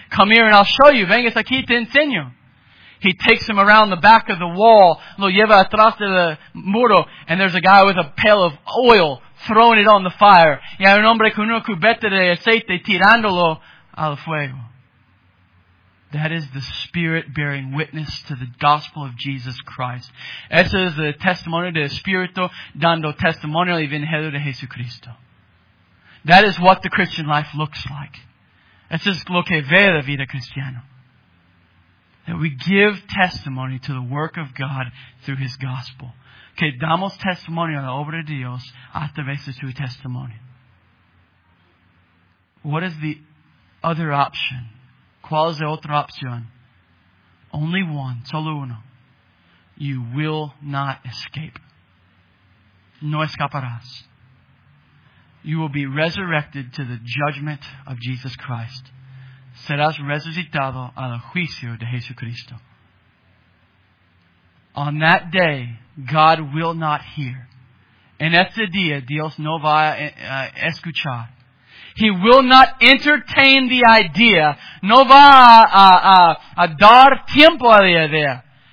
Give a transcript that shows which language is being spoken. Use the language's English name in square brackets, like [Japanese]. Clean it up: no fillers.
[English] Come here and I'll show you. [Spanish] Vengas aquí, te enseño. [English] He takes him around the back of the wall, [Spanish] lo lleva atrás del muro, [English] and there's a guy with a pail of oil throwing it on the fire. [Spanish] Y hay un hombre con una cubeta de aceite tirándolo al fuego. [English] That is the Spirit bearing witness to the gospel of Jesus Christ. [Spanish] Eso es el testimonio del Espíritu dando testimonio al Evangelio de Jesucristo. [English] That is what the Christian life looks like. [Spanish] Eso es lo que ve la vida cristiana. [English] That we give testimony to the work of God through His gospel. [Spanish] Que damos testimonio a la obra de Dios a través de su testimonio. [English] What is the other option? [Spanish] ¿Cuál es la otra opción? [English] Only one, [Spanish] solo uno. [English] You will not escape. [Spanish] No escaparás. [English] You will be resurrected to the judgment of Jesus Christ. [Spanish] Serás resucitado al juicio de Jesucristo. [English] On that day, God will not hear. [Spanish] En ese día, Dios no va a escuchar. [English] He will not entertain the idea. [Spanish] No va a dar tiempo a la idea.